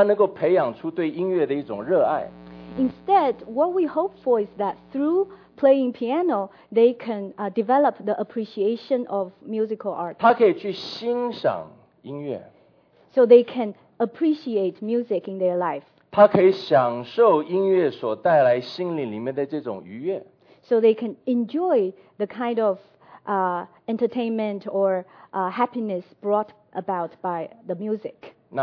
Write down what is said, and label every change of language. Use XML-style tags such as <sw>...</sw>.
<zh>我们让他学钢琴，是因为希望在他的生命当中，他能够培养出对音乐的一种热爱。</zh> <en>Instead, what we hope for is that through playing piano, they can develop the appreciation of musical art.</en> <zh>他可以去欣赏音乐。</zh> <en>So they can appreciate music in their life.</en> <zh>他可以享受音乐所带来心灵里面的这种愉悦。</zh> <en>So they can enjoy the kind of entertainment or happiness brought about by the music.</en>